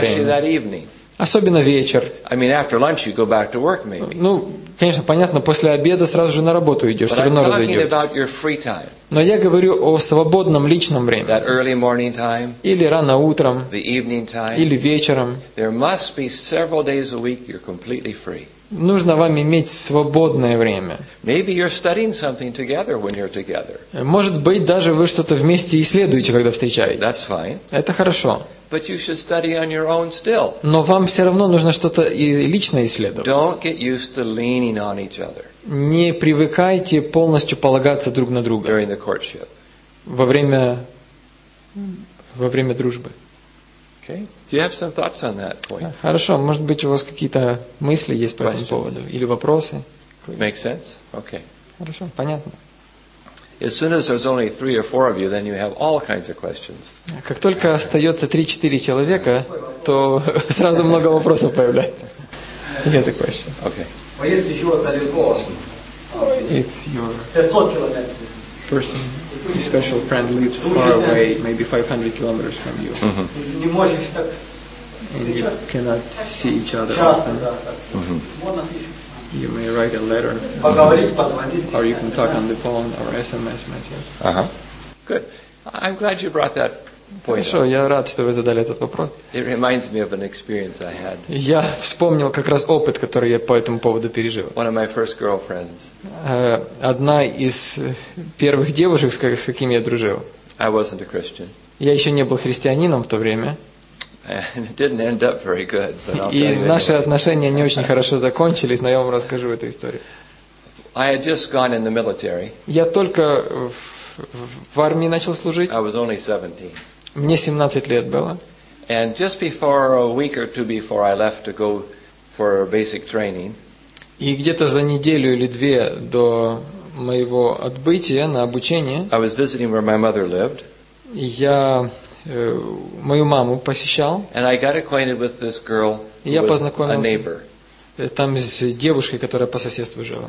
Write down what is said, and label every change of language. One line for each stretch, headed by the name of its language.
English: especially
Russian: время.
English: That evening.
Russian: Особенно вечер.
English: I mean, after lunch you go back to work, maybe.
Russian: Ну, конечно, понятно, после обеда сразу же на работу идешь,
English: but
Russian: все равно разойдетесь. Но я говорю о свободном личном времени.
English: That early morning time,
Russian: или рано утром,
English: the evening time,
Russian: или вечером.
English: There must be several days a week you're completely free.
Russian: Нужно вам иметь свободное время.
English: Maybe you're studying something together when you're together.
Russian: Может быть, даже вы что-то вместе исследуете, когда встречаетесь.
English: That's fine.
Russian: Это хорошо.
English: But you should study on your own still.
Russian: Но вам все равно нужно что-то и лично исследовать.
English: Don't get used to leaning on each other.
Russian: Не привыкайте полностью полагаться друг на друга.
English: During the courtship.
Russian: Во время дружбы.
English: Okay. Do you have some thoughts on that point?
Russian: Хорошо, может быть, у вас какие-то мысли есть по этому поводу или вопросы?
English: Make sense? Okay.
Russian: Хорошо, понятно.
English: As soon as there's only three or four of you, then you have all kinds of questions.
Russian: Как только остается 3-4 человека, то сразу много вопросов появляется.
English: Here's a question. Okay.
Russian: А если живет далеко?
English: If your
Russian: 500 километров.
English: Person, your special friend lives far away, maybe 500 kilometers from you.
Russian: Не можешь так.
English: And you cannot see each other often. You may write a letter, or you can talk on the phone or SMS message. Uh-huh. Good. I'm glad you brought that point.
Russian: Хорошо, я рад, что вы задали этот вопрос.
English: It reminds me of an experience I had.
Russian: Я вспомнил как раз опыт, который я по этому поводу пережил.
English: One of my first girlfriends.
Russian: Одна из первых девушек, с какими я дружил.
English: I wasn't a Christian.
Russian: Я еще не был христианином в то время.
English: And it didn't end up very good, but I'll tell you.
Russian: И наши отношения не очень хорошо закончились, но я вам расскажу эту историю.
English: I had just gone in the military.
Russian: Я только в армии начал служить.
English: I was only 17.
Russian: Мне 17 лет было.
English: And just before a week or two before I left to go for basic training.
Russian: И где-то за неделю или две до моего отбытия на обучение.
English: I was visiting where my mother lived.
Russian: Я мою маму посещал.
English: And I got acquainted with this girl, who was a neighbor.
Russian: Там с девушкой, которая по соседству жила.